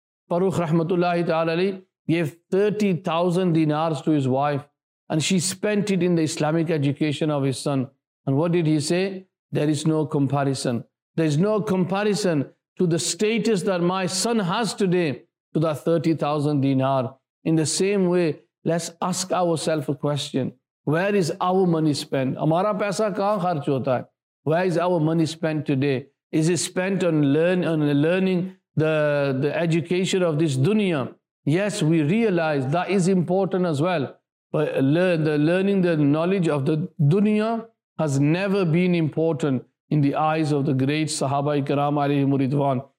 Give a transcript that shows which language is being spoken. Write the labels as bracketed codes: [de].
[en] Farooq rahmatullahi ta'ala alayhi gave 30,000 dinars to his wife and she spent it in the Islamic education of his son. And what did he say? There is no comparison. There is no comparison to the status that my son has today to that 30,000 dinar. In the same way, let's ask ourselves a question. Where is our money spent? [ur] امارا پیسہ کہاں خرچ ہوتا ہے؟ [en] Where is our money spent today? Is it spent on learning the education of this dunya? Yes, we realize that is important as well. But learning the knowledge of the dunya has never been important in the eyes of the great Sahaba Ikram alayhi muridwan.